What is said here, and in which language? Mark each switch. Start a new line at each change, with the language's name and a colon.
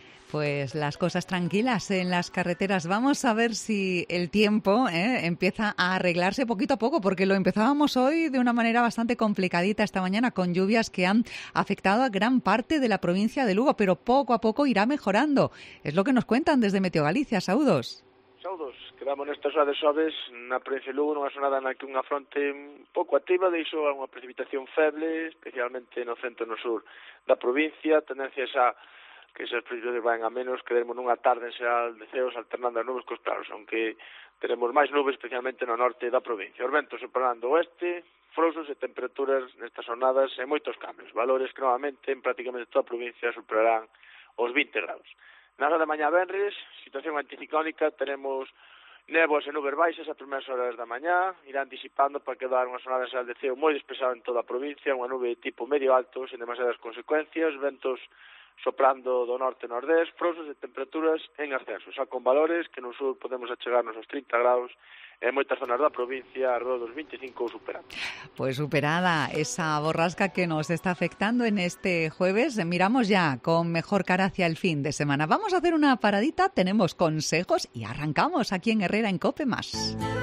Spanish: Pues las cosas tranquilas en las carreteras. Vamos a ver si el tiempo empieza a arreglarse poquito a poco, porque lo empezábamos hoy de una manera bastante complicadita esta mañana, con lluvias que han afectado a gran parte de la provincia de Lugo, pero poco a poco irá mejorando. Es lo que nos cuentan desde Meteo Galicia.
Galician: Saudos. Saudos. Quedamos nestas horas de suaves na provincia de Lugo, non son nada na que unha fronte un pouco activa, deixou unha precipitación feble, especialmente no centro e no sur da provincia. Tendencias
Spanish: a que esas precipitaciones vayan a menos,
Galician: quedaremos nunha tarde en xeral de ceos alternando as nubes cos claros, aunque teremos máis nubes, especialmente no norte da provincia. Os ventos soprarán do oeste, frosos e temperaturas nestas xornadas e moitos cambios. Valores que novamente en prácticamente toda a provincia superarán os 20 graus. Na hora de mañá venres, situación anticiclónica, teremos neboas e nubes baixas as primeiras horas da mañá, irán disipando para quedar unha xornada en xeral de ceo moi dispersada en toda a provincia, unha nube de tipo medio alto, sen demasiadas consecuencias, ventos soprando do norte e nordés, frosos e temperaturas en ascenso, xa con valores que no sur podemos achegarnos aos 30 graus en moitas zonas da provincia, alrededor dos 25 ou superando.
Spanish: Pues superada esa borrasca que nos está afectando en este jueves, miramos ya con mejor cara hacia el fin de semana. Vamos a hacer una paradita, tenemos consejos y arrancamos aquí en Herrera en COPE más.